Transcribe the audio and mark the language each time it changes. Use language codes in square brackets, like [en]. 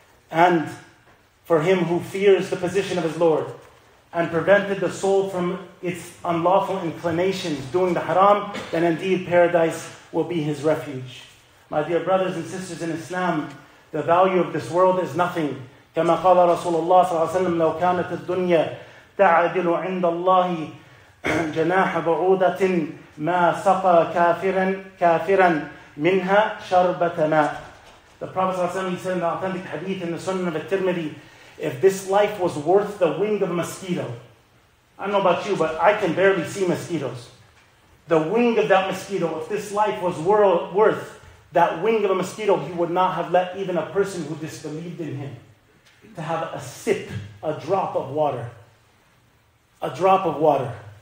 [en] And for him who fears the position of his Lord and prevented the soul from its unlawful inclinations doing the haram, then indeed paradise will be his refuge. My dear brothers and sisters in Islam, the value of this world is nothing. [ar] كما قال رسول الله صلى الله عليه وسلم لو كانت الدنيا تعدل عند الله جناح بعوضة ما سقى كافرا منها شربة ماء. [en] The Prophet ﷺ said in the authentic hadith in the Sunan of al-Tirmidhi, if this life was worth the wing of a mosquito, I don't know about you, but I can barely see mosquitoes. The wing of that mosquito, if this life was worth that wing of a mosquito, he would not have let even a person who disbelieved in him to have a sip, a drop of water. A drop of water.